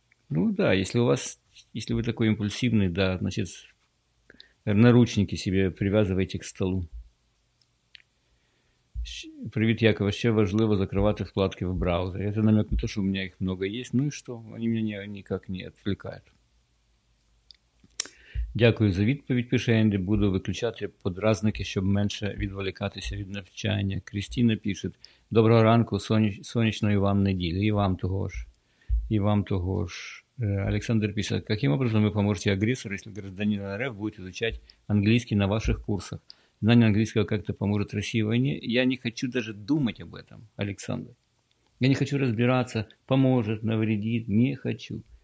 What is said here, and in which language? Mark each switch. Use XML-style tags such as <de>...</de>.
<ru>Ну да, если у вас... Если вы такой импульсивный, да, значит, наручники себе привязывайте к столу. Привет, Яков, вообще важливо закрывать вкладки в браузере. Это намек на то, что у меня их много есть. Ну и что? Они меня никак не отвлекают.</ru> <uk>Дякую за відповідь, пише Енді. Буду виключати подразники, щоб менше відволікатися від навчання. Крістіна пише. Доброго ранку, сонячної вам неділі. І вам того ж. І вам того ж.</uk> <ru>Александр пишет, каким образом вы поможете агрессору, если гражданин РФ будет изучать английский на ваших курсах? Знание английского как-то поможет России в войне? Я не хочу даже думать об этом, Александр. Я не хочу разбираться, поможет, навредит. Не хочу.</ru>